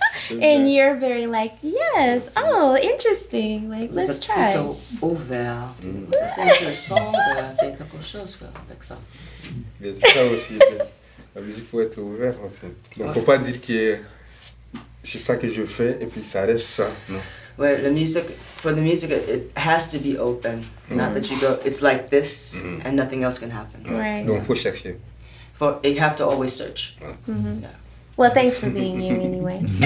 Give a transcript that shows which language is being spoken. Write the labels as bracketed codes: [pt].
[en] And you're very like, yes, oh, interesting, like, let's try. [fr] Vous êtes plutôt ouvert. Ça, c'est intéressant de faire quelque chose avec ça. Mais ça aussi, la musique, faut être ouvert aussi. Donc, faut pas dire que c'est ça que je fais et puis ça reste ça, non. Ouais, la musique, [en] for the music, it has to be open. Not that you go, it's like this and nothing else can happen. Right. [fr] Donc, faut chercher. [en] You have to always search. Yeah. Well, thanks for being you, anyway.